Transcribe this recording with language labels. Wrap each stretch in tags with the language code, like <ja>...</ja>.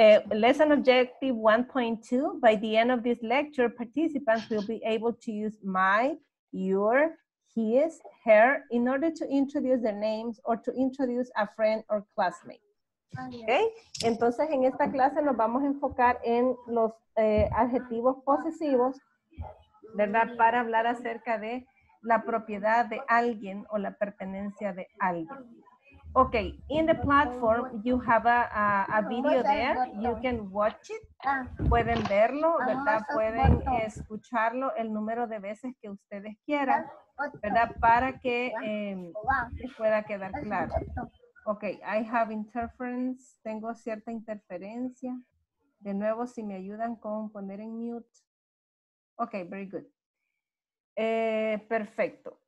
<en>Lesson objective 1.2, by the end of this lecture, participants will be able to use my, your, his, her, in order to introduce their names or to introduce a friend or classmate. Okay?</en> <es>Entonces, en esta clase nos vamos a enfocar en los adjetivos posesivos, ¿verdad? Para hablar acerca de la propiedad de alguien o la pertenencia de alguien.</es> <en>Okay, in the platform, you have a video there. You can watch it.</en> <es>Pueden verlo, ¿verdad? Pueden escucharlo el número de veces que ustedes quieran, ¿verdad? Para que pueda quedar claro.</es> <en>Okay, I have interference.</en> <es>Tengo cierta interferencia. De nuevo, si me ayudan con poner en mute.</es> <en>Okay, very good.</en> <es>Perfecto.</es>